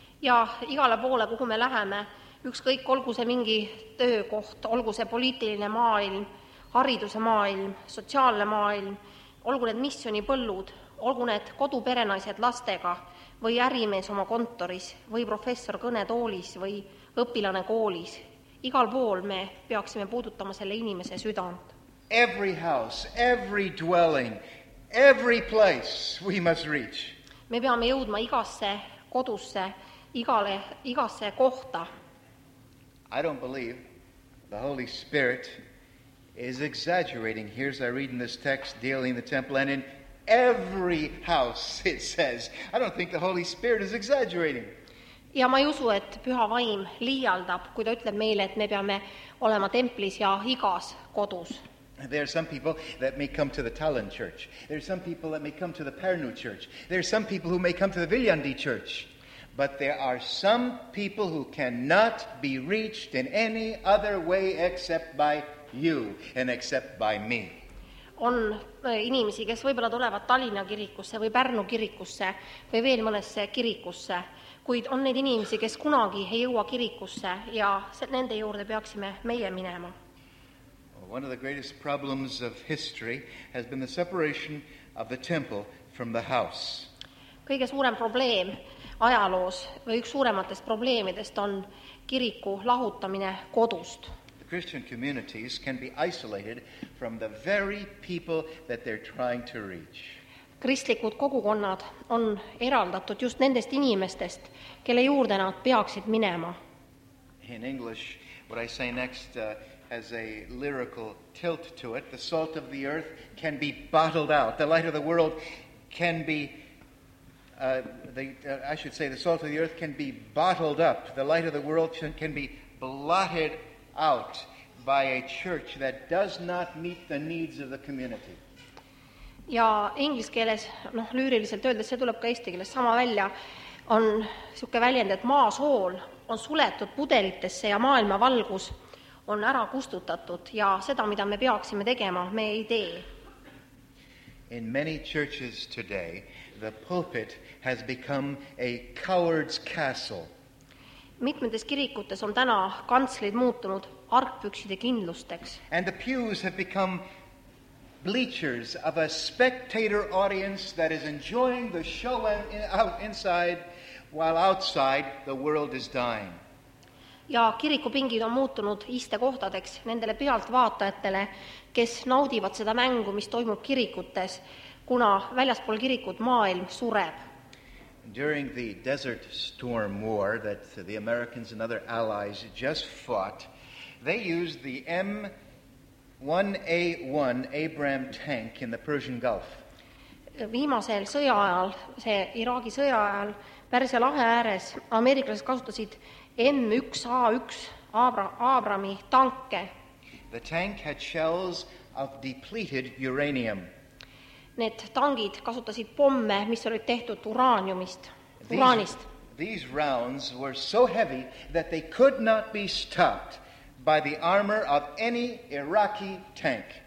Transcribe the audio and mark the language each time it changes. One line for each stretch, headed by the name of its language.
Estonian: Ja igale poole, kuhu me läheme, ükskõik olgu see mingi töökoht, olgu see poliitiline maailm, hariduse maailm, sotsiaalne maailm, olgu need missioni põllud, olgu need koduperenaised lastega või ärimees oma kontoris või professor kõnetoolis või õpilane koolis. Igal pool me peaksime puudutama selle inimese südant.
English: every house, every dwelling, every place we must reach.
Estonian: Me peame jõudma igasse kodusse, igale, igasse kohta.
English: I don't believe the Holy Spirit is exaggerating. Here's I read in this text dealing the temple and in every house it says. I don't think the Holy Spirit is exaggerating.
Estonian: Ja ma ei usu, et püha vaim liialdab, kui ta ütleb meile, et me peame olema templis ja igas kodus.
English: There are some people that may come to the Tallinn church. There are some people that may come to the Pärnu church. There are some people who may come to the Viljandi church. But there are some people who cannot be reached in any other way except by you and except by me.
Estonian: On inimesi, kes võibolla tulevad Tallinna kirikusse või Pärnu kirikusse või veel mõnesse kirikusse. Kuid on need inimesi, kes kunagi ei jõua kirikusse ja nende juurde peaksime meie minema.
English: One of the greatest problems of history has been the separation of the temple from the house.
Estonian: Kõige suurem probleem ajaloos või üks suurematest probleemidest on kiriku lahutamine kodust.
English: The Christian communities can be isolated from the very people that they're trying to reach.
Estonian: Kristlikud kogukonnad on eraldatud just nendest inimestest, kelle juurde nad peaksid minema.
English: In English, what I say next has a lyrical tilt to it. The salt of the earth can be bottled out. The light of the world can be, the salt of the earth can be bottled up. The light of the world can be blotted out by a church that does not meet the needs of the community.
Estonian: Ja ingliskeeles, noh, lüüriliselt öeldes, see tuleb ka eesti keeles sama välja, on siuke väljend, et maasool on suletud pudelitesse ja maailma valgus on ära kustutatud ja seda, mida me peaksime tegema, me ei tee.
English: In many churches today, the pulpit has become a coward's castle.
Estonian: Mitmedes kirikutes on täna kantslid muutunud argpükside kindlusteks.
English: And the pews have become bleachers of a spectator audience that is enjoying the show out inside while outside the world is dying.
Estonian: Ja kirikupingid on muutunud istekohtadeks nendele pealtvaatajatele, kes naudivad seda mängu, mis toimub kirikutes, kuna väljaspool kirikut maailm sureb.
English: During the Desert Storm War that the Americans and other allies just fought, they used the M1A1 Abram tank in the Persian Gulf.
Estonian: Viimasel sõja ajal, see Iraagi sõja ajal, Pärsia lahe ääres, ameeriklased kasutasid M1A1 Abrami tanke.
English: The tank had shells of depleted uranium.
Estonian: Need tangid kasutasid pomme, mis olid tehtud uraaniumist, uraanist.
English: These rounds were so heavy that they could not be stopped by the armor of any Iraqi tank.